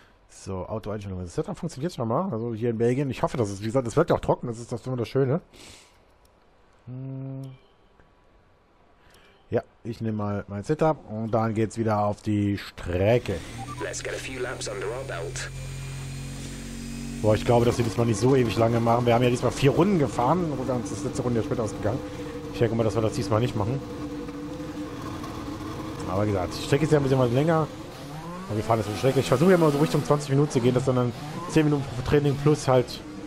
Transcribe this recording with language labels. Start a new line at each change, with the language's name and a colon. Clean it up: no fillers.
German: So, Autoeinstellung. Das Setup funktioniert schon mal. Also hier in Belgien. Ich hoffe, dass es, wie gesagt, es wird ja auch trocken. Das ist das immer das Schöne. Ja, ich nehme mal mein Setup und dann geht's wieder auf die Strecke.
English: Let's get a few laps under our belt.
German: Boah, ich glaube, dass wir diesmal nicht so ewig lange machen. Wir haben ja diesmal 4 Runden gefahren und dann ist das letzte Runde ja später ausgegangen. Ich denke mal, dass wir das diesmal nicht machen. Aber wie gesagt, die Strecke ist ja ein bisschen mal länger. Wir fahren jetzt so schrecklich. Ich versuche immer so Richtung 20 Minuten zu gehen, dass dann 10 Minuten pro Training plus halt.